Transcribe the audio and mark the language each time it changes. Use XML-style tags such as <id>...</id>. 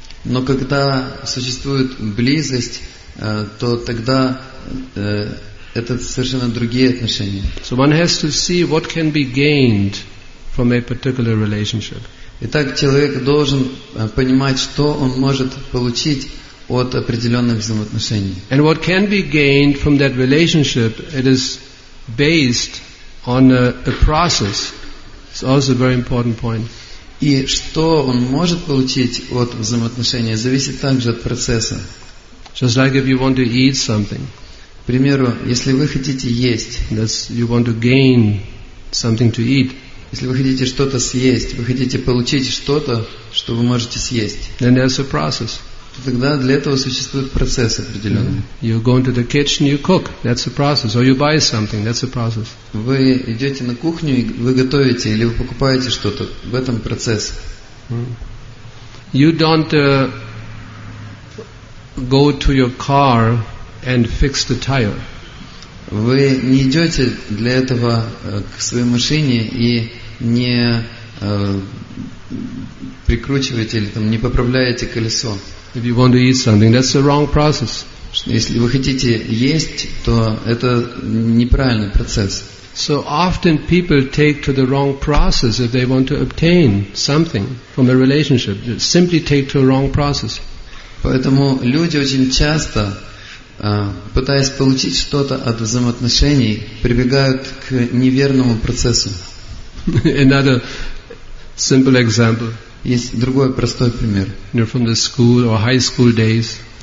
<ru>Но когда существует близость, то тогда это совершенно другие отношения.</ru> <en>So one has to see what can be gained from a particular relationship.</en> <ru>Итак, человек должен понимать, что он может получить от определенных взаимоотношений.</ru> <en>And what can be gained from that relationship, it is based on a process. It's also a very important point.</en> <ru>И что он может получить от взаимоотношений, зависит также от процесса.</ru> <en>Just like if you want to eat something.</en> <ru>К примеру, если вы хотите есть.</ru> <en>That's, you want to gain something to eat.</en> <ru>Если вы хотите что-то съесть, вы хотите получить что-то, что вы можете съесть.</ru> <en>Then there's a process.</en> <ru>Тогда для этого существует процесс определенный.</ru> <en>You go into the kitchen, you cook. That's a process. Or you buy something. That's a process.</en> <ru>Вы идете на кухню и вы готовите или вы покупаете что-то. В этом процесс.</ru> <en>You don't go to your car and fix the tire.</en> <ru>Вы не идете для этого к своей машине и не прикручиваете или там, не поправляете колесо.</ru> <en>If you want to eat something, that's the wrong process.</en> <ru>Если вы хотите есть, то это неправильный процесс.</ru> <en>So often people take to the wrong process if they want to obtain something from a relationship. They simply take to a wrong process.</en> <ru>Поэтому люди очень часто пытаясь получить что-то от взаимоотношений, прибегают к неверному процессу.</ru> <en>Another simple example.</en> <ru>Есть другой простой пример.</ru> <en>You're from the school or high school days.</en>